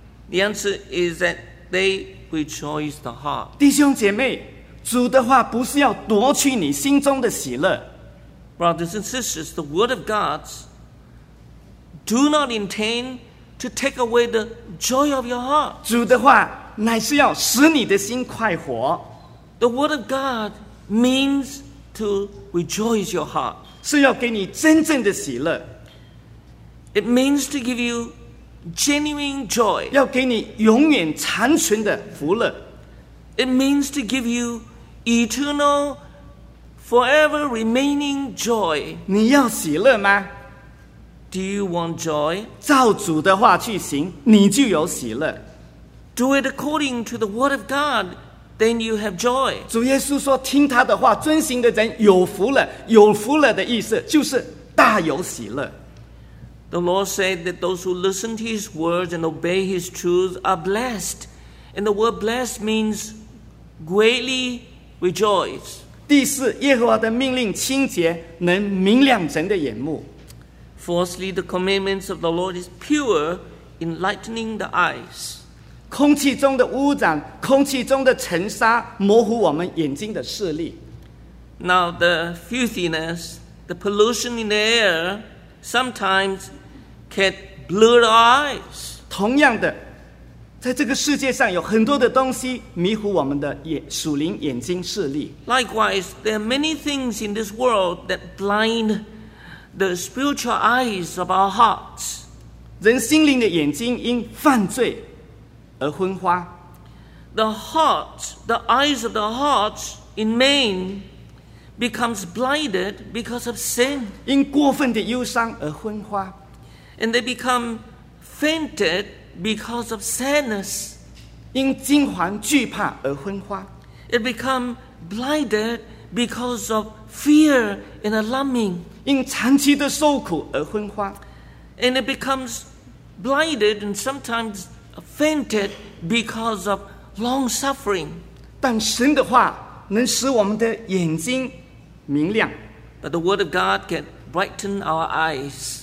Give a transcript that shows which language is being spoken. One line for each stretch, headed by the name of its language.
English: The answer is that they rejoice the heart.
Chinese: 弟兄姐妹，主的话不是要夺去你心中的喜乐。
English: Brothers and sisters, the word of God do not intend. To take away the joy of your heart.
Chinese: 主的话乃是要使你的心快活。
English: The word of God means to rejoice your heart.
Chinese: 是要给你真正的喜乐。
English: It means to give you genuine joy.
Chinese: 要给你永远长存的福乐。
English: It means to give you eternal, forever remaining joy.
Chinese: 你要喜乐吗？
English: Do you want joy?
Chinese: 照主的话去行，你就有喜乐。
English: Do it according to the word of God, then you have joy.
Chinese: 主耶稣说，听他的话，遵行的人有福了。有福了的意思就是大有喜乐。
English: The Lord said that those who listen to His words and obey His truth are blessed. And the word blessed means greatly rejoice.
Chinese: 第四，耶和华的命令清洁，能明亮人的眼目。
English: Fourthly, the commandments of the Lord is pure, enlightening the eyes.
Chinese: 空气中的污染，空气中的尘沙，模糊我们眼睛的视力。
English: Now the filthiness, the pollution in the air, sometimes can blur the eyes.
Chinese: 同样的，在这个世界上有很多的东西迷糊我们的属灵眼睛视力。
English: Likewise, there are many things in this world that blind the spiritual eyes of our hearts.
Chinese: 人心灵的眼睛因犯罪而昏花。
English: The heart, the eyes of the heart in man becomes blinded because of sin.
Chinese: 因过分的忧伤而昏花。
English: And they become fainted because of sadness.
Chinese: 因惊惶惧怕而昏花。
English: It become blinded because of fear and alarming.
Chinese: 因长期的受苦而昏花。
English: And it becomes blinded and sometimes fainted because of long suffering.
Chinese: 但神的话能使我们的眼睛明亮。
English: But the word of God can brighten our eyes.